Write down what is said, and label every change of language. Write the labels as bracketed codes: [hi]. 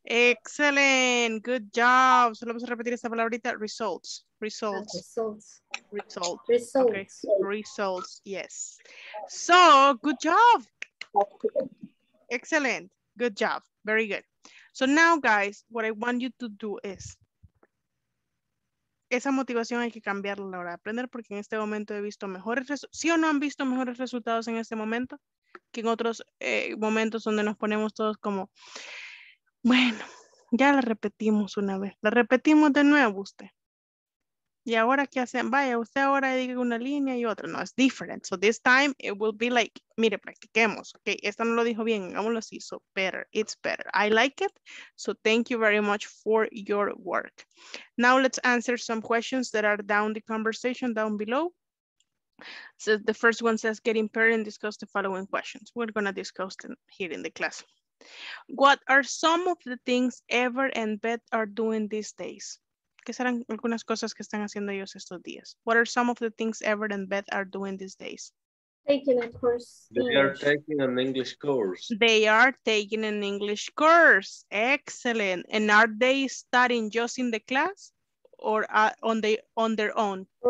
[en] Excellent. Good job. [es] Solo vamos a repetir esta palabrita. Results. Results. [en] Results. Results. Results. Okay. Results. Yes. So, good job. Excellent. Good job. Very good. So now, guys, what I want you to do is [es] esa motivación hay que cambiarla a la hora de aprender, porque en este momento he visto mejores resultados. ¿Sí o no han visto mejores resultados en este momento? Que en otros momentos donde nos ponemos todos como, bueno, ya la repetimos una vez, la repetimos de nuevo usted. ¿Y ahora qué hacen? Vaya, usted ahora diga una línea y otra. [en] No, it's different. So this time it will be like, [es] mire, practiquemos. Okay, esta no lo dijo bien, hagámoslo así. [en] So better, it's better. I like it. So thank you very much for your work. Now let's answer some questions that are down the conversation down below. So the first one says, get impaired and discuss the following questions. We're going to discuss them here in the class. What are some of the things Ever and Beth are doing these days? [es] ¿Qué serán algunas cosas que están haciendo ellos estos días? [en] What are some of the things Ever and Beth are doing these days? Taking a course. They are taking an English course. They are taking an English course. Excellent. And are they studying just in the class or on their own?